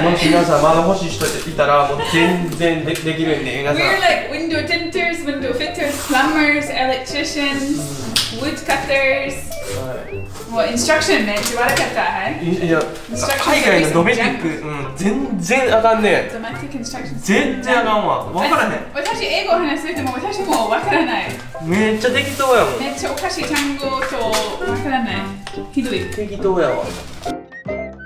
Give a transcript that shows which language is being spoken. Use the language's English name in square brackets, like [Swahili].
[Japanese] はい、もし皆さん窓欲しい人いたらもう全然できるんで、皆さん。 [English] We're like window tinters, window fitters, plumbers, electricians, wood cutters. [Japanese] もう instruction めっちゃ悪かった、はい。いや、海外のドメティック、うん、全然あかんねえ。全然あかんわ。わからへん。私英語話してても私もわからない。めっちゃ適当やもん。めっちゃおかしい単語とわからない。ひどい。適当やわ。